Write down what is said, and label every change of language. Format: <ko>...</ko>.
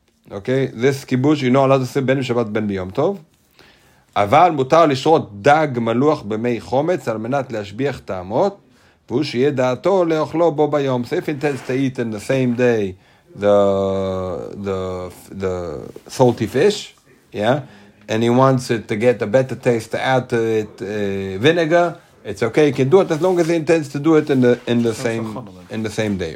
<en>Okay, this kibush, you know, a lot of say</en> <he>ben b'Shabbat, ben b'Yom Tov. אבל מותר לשרות דג מלוח במי חומץ על מנת להשביח טעמות, והוא שיהיה דעתו לאוכלו בו ביום.</he> <en>So if he intends to eat in the same day the salty fish, yeah, and he wants it to get a better taste, to add to it vinegar, it's okay, he can do it as long as he intends to do it in the same day.</en>